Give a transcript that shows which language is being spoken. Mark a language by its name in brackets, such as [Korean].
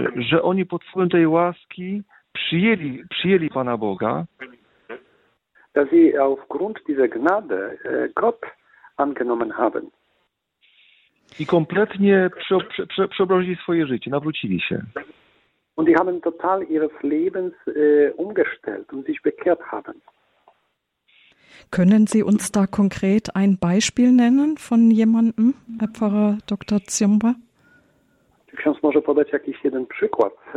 [Polish] Że oni pod wpływem tej łaski przyjęli Pana Boga. [German] Dass sie aufgrund dieser Gnade Gott angenommen haben. [Polish] I kompletnie przeobrazili swoje życie, nawrócili się. [German] Und die haben total ihres Lebens umgestellt und sich bekehrt haben. Können Sie uns da konkret ein Beispiel nennen von jemandem, Herr Pfarrer Dr. Ziemba? [Polish] Czy ksiądz może podać jakiś jeden przykład?